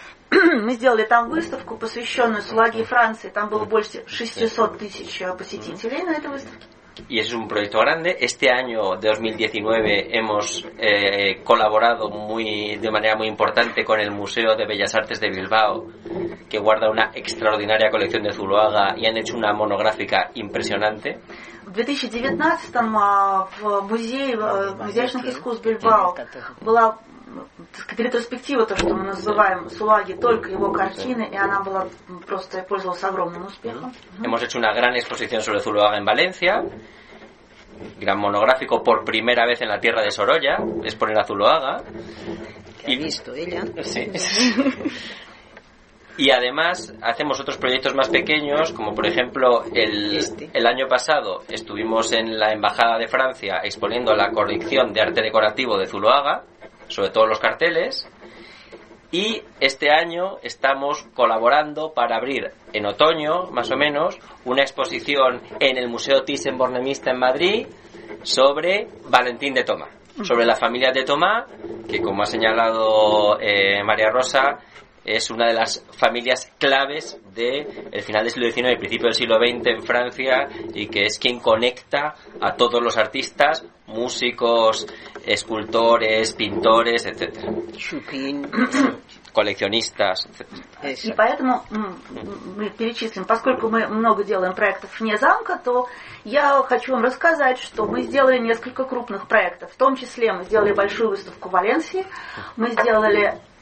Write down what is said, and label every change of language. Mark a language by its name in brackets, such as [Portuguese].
[Russian] Мы сделали там выставку, посвященную Зулуаге и Франции. Там было больше 600 тысяч посетителей на этой выставке. [Spanish] Y ese es un proyecto grande. Este año de 2019 hemos colaborado de manera muy importante con el Museo de Bellas Artes de Bilbao, que guarda una extraordinaria colección de Zuloaga y han hecho una monográfica impresionante. [Russian] В 2019-м в музее изящных искусств Бильбао была ретроспектива, то, что мы называем Зулуаги, только его картины, и она была просто пользовалась огромным успехом. [Spanish] Hemos hecho una gran exposición sobre Zuloaga en Valencia. Gran monográfico por primera vez en la tierra de Sorolla, exponer a Zuloaga. ¿Qué ha visto ella? Sí. Y además hacemos otros proyectos más pequeños, como por ejemplo el año pasado estuvimos en la Embajada de Francia exponiendo la colección de arte decorativo de Zuloaga, sobre todo los carteles, y este año estamos colaborando para abrir en otoño, más o menos, una exposición en el Museo Thyssen-Bornemisza en Madrid sobre Valentín de Tomás, sobre la familia de Tomás, que como ha señalado María Rosa, es una de las familias claves del final del siglo XIX y principio del siglo XX en Francia y que es quien conecta a todos los artistas, músicos, escultores, pintores, etc. Chupin. [Russian] Коллекционистов. И поэтому мы перечислим, поскольку мы много делаем проектов вне замка, то я хочу вам рассказать, что мы сделали несколько крупных проектов. В том числе мы сделали большую выставку в Валенсии, мы сделали...